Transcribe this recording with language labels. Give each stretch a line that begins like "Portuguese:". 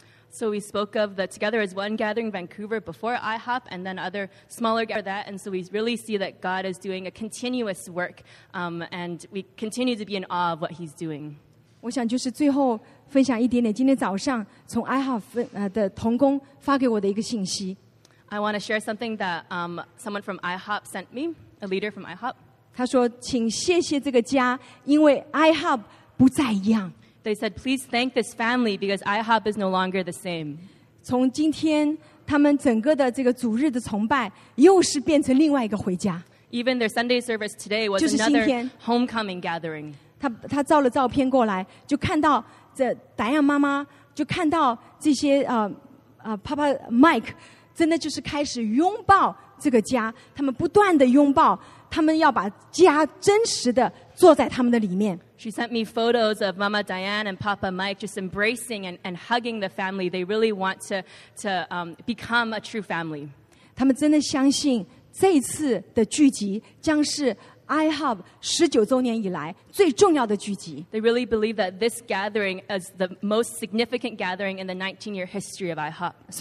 English: So we spoke of the Together as One gathering Vancouver before IHOP and then other smaller gatherings after that. And so we really see that God is doing a continuous work and we continue to be in awe of what He's doing.
Chinese: 我想就是最后分享一点点今天早上从 IHOP 的同工发给我的一个信息。
English: I want to share something that someone from IHOP sent me, a leader from IHOP.
Chinese: 他说请谢谢这个家，因为 IHOP 不再一样。
English: They said, please thank this family because IHOP is no longer the same.
Chinese: 从今天他们整个的这个主日的崇拜又是变成另外一个回家。
English: Even their Sunday service today was another homecoming gathering.
Chinese: 他照了照片过来, 就看到这Diane妈妈, 就看到这些, Papa Mike, 真的就是开始拥抱这个家, 他们不断地拥抱, 他们要把家真实地坐在他们的里面。
English: She sent me photos of Mama Diane and Papa Mike just embracing and hugging the family. They really want to become a true family.
Chinese: 他们真的相信这一次的聚集将是 iHub 19周年以来最重要的聚集。
English: They really believe that this gathering is the most significant gathering in the 19-year history of iHub.